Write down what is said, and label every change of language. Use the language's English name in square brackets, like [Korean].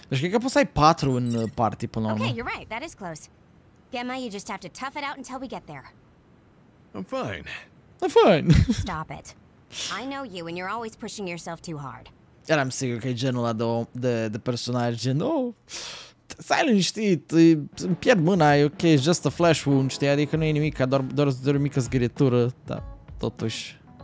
[Romanian] Deci cred că poți să ai patru în party până la urmă. [English] Okay, you're right. That is close. Gemma, you just have to tough it out until we get there. I'm fine. I'm fine. Stop it. I know you and you're always pushing yourself too hard. [Romanian] Iar am sigur că e genul ăla de personaj, gen, oh, stai liniștit, îmi pierd mâna, e ok, [English] just a flesh wound, [Romanian] știi, adică nu e nimic, doar o mică zgârietură, dar totuși.